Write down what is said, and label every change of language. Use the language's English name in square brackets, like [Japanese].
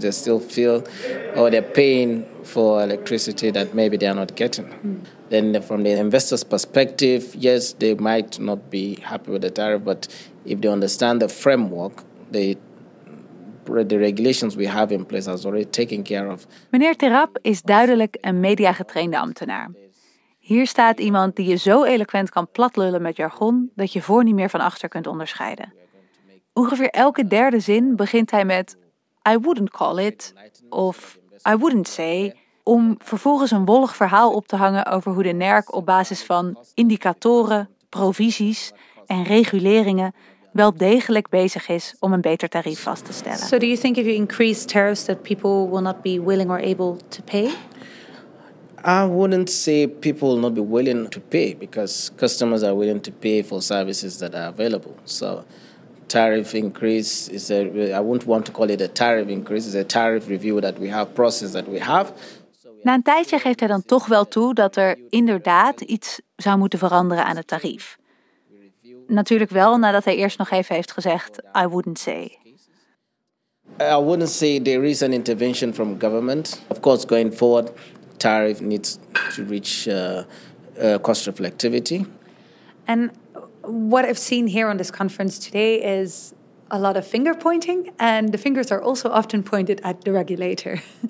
[English] They still feel, or they're paying for electricity that maybe they're not getting. Then from the investor's perspective, yes, they might not be happy with the tariff, but if they understand the framework, the regulations we have in place are already taken care of. [Dutch] Meneer Terap is duidelijk een media-getrainde ambtenaar. Hier staat iemand die je zo eloquent kan platlullen met jargon dat je voor niet meer van achter kunt onderscheiden. Ongeveer elke derde zin begint hij met [English] I wouldn't call it [Dutch] of [English] I wouldn't say, [Dutch] om vervolgens een wollig verhaal op te hangen over hoe de NERC op basis van indicatoren, provisies en reguleringen wel degelijk bezig is om een beter tarief vast te stellen. [English] So do you think if you increase tariffs that people will not be willing or able to pay? I wouldn't say people will not be willing to pay because customers are willing to pay for services that are available. So tariff increase is a, I wouldn't want to call it a tariff increase, it's a tariff review that we have, process that we have. [Dutch] Na een tijdje geeft hij dan toch wel toe dat er inderdaad iets zou moeten veranderen aan het tarief. Natuurlijk wel nadat hij eerst nog even heeft gezegd, [English] I wouldn't say. I wouldn't say there is an intervention from government. Of course, going forward, tariff needs to reach cost reflectivity. And what I've seen here on this conference today is a lot of finger pointing, and the fingers are also often pointed at the regulator.